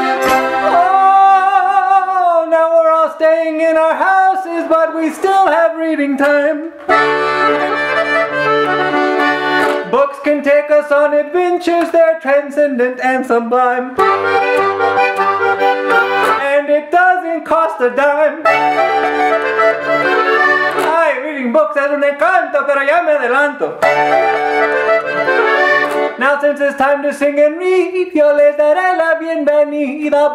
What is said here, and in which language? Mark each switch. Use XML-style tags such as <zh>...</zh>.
<en>Oh, now we're all staying in our houses, but we still have reading time. Books can take us on adventures, they're transcendent and sublime. And it doesn't cost a dime.</en> <es>Ay,</es> <en>reading books</en> <es>es un encanto, pero ya me adelanto.</es> <en>Now since it's time to sing and read,</en> <es>yo les daré la bienvenida.</es>